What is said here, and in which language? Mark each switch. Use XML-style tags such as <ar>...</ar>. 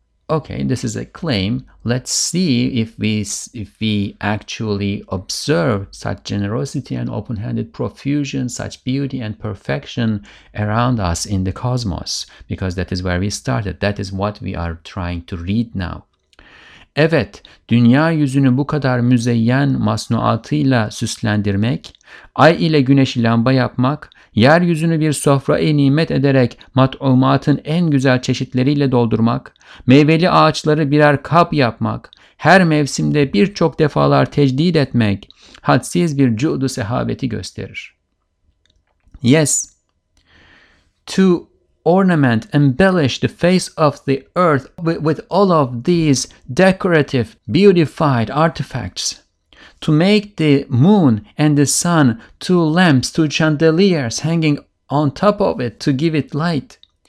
<en>Okay, this is a claim. Let's see if we actually observe such generosity and open-handed profusion, such beauty and perfection around us in the cosmos, because that is where we started. That is what we are trying to read now.</en> <tr>Evet, dünya yüzünü bu kadar müzeyyen masnuatıyla süslendirmek, ay ile güneşi lamba yapmak, yeryüzünü bir sofraya nimet ederek matumatın en güzel çeşitleriyle doldurmak, meyveli ağaçları birer kap yapmak, her mevsimde birçok defalar tecdid etmek, hadsiz bir cudu sehaveti gösterir.</tr> <en>Yes, to ornament, embellish the face of the earth with all of these decorative, beautified artifacts. To make the moon and the sun two lamps, two chandeliers hanging on top of it to give it light.</en>